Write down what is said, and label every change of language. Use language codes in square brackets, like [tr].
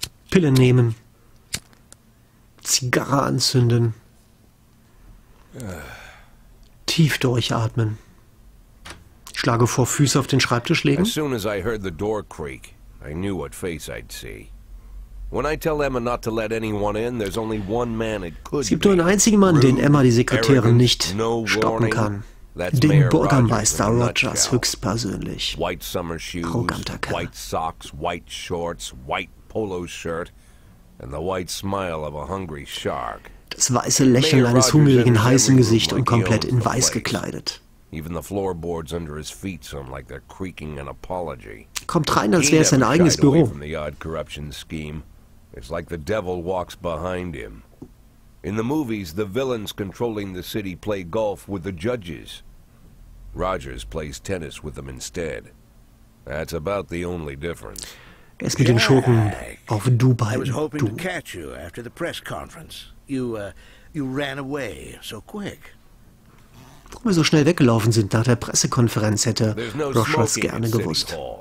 [de] Pille nehmen. Zigarre anzünden. Tief durchatmen. Ich schlage vor, Füße auf den Schreibtisch legen. [en] As soon as I heard the door creak, I knew what face I'd see. When I tell Emma not to let anyone in, there's only one man it could be. [de] Es gibt nur einen einzigen Mann, den Emma, die Sekretärin, nicht stoppen kann. Den Bürgermeister Rogers höchstpersönlich. [en] White summer shoes, [de] arroganter Kerl. [en] White socks, white shorts, white polo shirt and the white smile of a hungry shark. [de] Das weiße Lächeln eines hungrigen Hais im Gesicht und komplett in weiß gekleidet. [en] Even the floorboards under his feet sound like they're creaking an apology. Kommt rein, als wäre es sein eigenes Büro. The odd corruption scheme. It's like the devil walks behind him. In the movies, the villains controlling the city play golf with the judges. Rogers plays tennis with them instead. That's about the only difference. [de] Er ist mit den Schurken auf Dubai. [en] I was hoping to catch you after the press conference. You ran away so quick. [de] Warum wir so schnell weggelaufen sind nach der Pressekonferenz, hätte Rogers gerne gewusst.